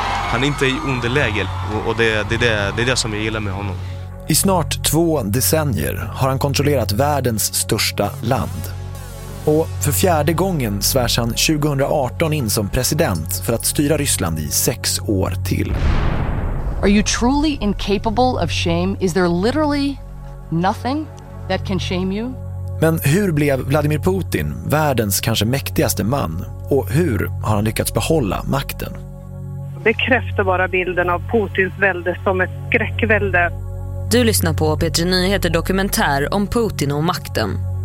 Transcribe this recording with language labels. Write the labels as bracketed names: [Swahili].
[Swedish] Han är inte i underläge och det är det som jag gillar med honom. I snart 2 decennier har han kontrollerat världens största land. Och för 4:e gången svärs han 2018 in som president för att styra Ryssland i 6 år till. [English] Are you truly incapable of shame? Is there literally nothing that can shame you? [Swedish] Men hur blev Vladimir Putin världens kanske mäktigaste man? Och hur har han lyckats behålla makten? Bekräftar bara bilden av Putins välde som ett skräckvälde. Du lyssnar på P3 Nyheter dokumentär om Putin och makten.